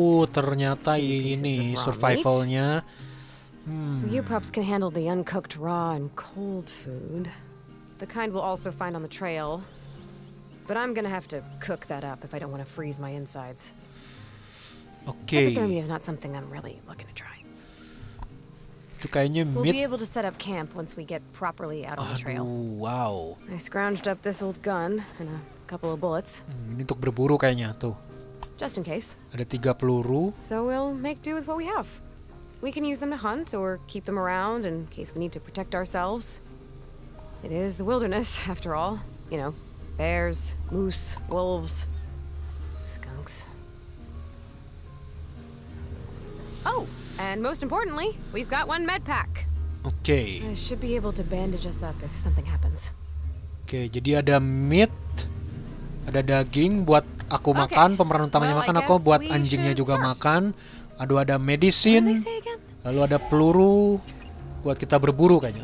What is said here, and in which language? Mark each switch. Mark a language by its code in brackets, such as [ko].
[id] Ternyata ini survivalnya. [en] You pups can handle the uncooked raw and cold food. The kind we'll also find on the trail. But I'm gonna have to cook that up if I don't want to freeze my insides. Okay. Hypothermia is not something I'm really looking to try. [id] Itu kayaknya meat. [en] We'll be able to set up camp once we get properly out on the trail. Wow. I scrounged up this old gun and a couple of bullets. [id] Ini untuk berburu kayaknya tuh. [en] Just in case. [id] Ada 3 peluru. [en] So we'll make do with what we have. We can use them to hunt or keep them around in case we need to protect ourselves. It is the wilderness, after all. You know, bears, moose, wolves, skunks. Oh, and most importantly, we've got one med pack. Okay. I should be able to bandage us up if something happens. [id] Okay, jadi ada meat, ada daging buat aku makan, pemeran utamanya makan, aku buat anjingnya juga makan. Aduh, ada medicine. Lalu ada peluru buat kita berburu kayaknya.